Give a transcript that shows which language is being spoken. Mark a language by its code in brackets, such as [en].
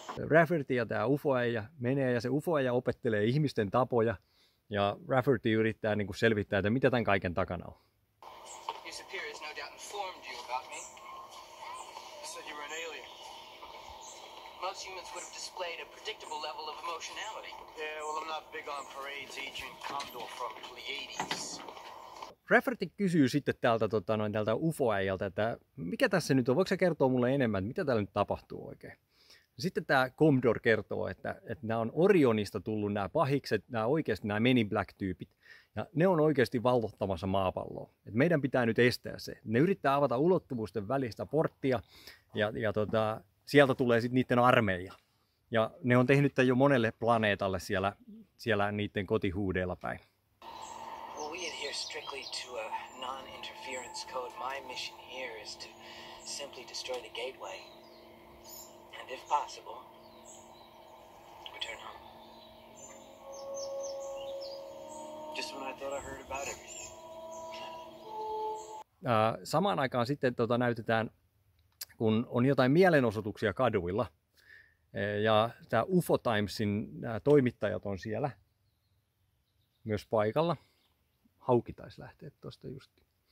[fi] Rafferty ja tämä UFO-äijä menee, ja se UFO-äijä opettelee ihmisten tapoja, ja Rafferty yrittää niin kuin selvittää, että mitä tämän kaiken takana on. [en] Your superior has no doubt informed you about me. He said you were an alien. Most humans would have displayed a predictable level of emotionality. Yeah, well I'm not big on parades, Agent Condor from Pleiades. [fi] Rafferty kysyy sitten tältä UFO-äijältä, että mikä tässä nyt on, voiko sä kertoa mulle enemmän, mitä täällä nyt tapahtuu oikein? Sitten tämä Commodore kertoo, että nämä on Orionista tullut nämä pahikset, nämä oikeasti nämä Men in Black-tyypit. Ja ne on oikeasti valvottamassa maapalloa. Et meidän pitää nyt estää se. Ne yrittää avata ulottuvuusten välistä porttia, ja sieltä tulee sitten niiden armeija. Ja ne on tehnyt tämän jo monelle planeetalle siellä niiden kotihuudeilla päin. [en] Well, we adhere strictly to a non-interference code. My mission here is to simply destroy the gateway. If possible, return home. Just when I thought I heard about everything. [fi] Samaan aikaan sitten näytetään, kun on jotain mielenosoituksia kaduilla, ja tämä UFO Timesin toimittajat on siellä myös paikalla. Hauki taisi lähteä tuosta justiin.